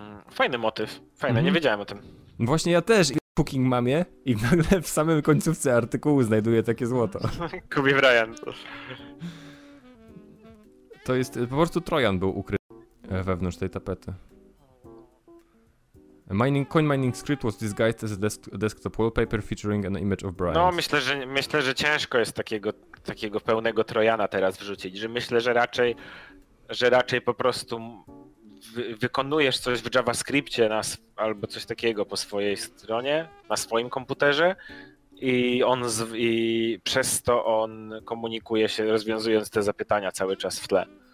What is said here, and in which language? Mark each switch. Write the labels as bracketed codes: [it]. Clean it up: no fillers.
[pl] Fajny motyw. Fajny, nie wiedziałem o tym. Właśnie ja też fucking mam je i nagle w samym końcówce artykułu znajduję takie złoto. Kobe Bryant. To jest, po prostu Trojan był ukryty wewnątrz tej tapety. [en] Coin mining script was disguised as a desktop wallpaper featuring an image of Bryant. [pl] No myślę, że ciężko jest takiego pełnego Trojana teraz wrzucić, że myślę, że raczej po prostu wykonujesz coś w JavaScriptie albo coś takiego po swojej stronie, na swoim komputerze i przez to on komunikuje się, rozwiązując te zapytania cały czas w tle.